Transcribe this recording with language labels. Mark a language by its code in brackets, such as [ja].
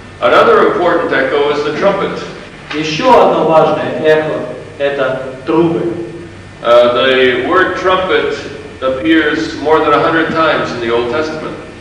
[en] Another important echo is the trumpet. [ru] Еще одно важное эхо – это трубы. [en] The word trumpet appears more than 100 times in the Old Testament.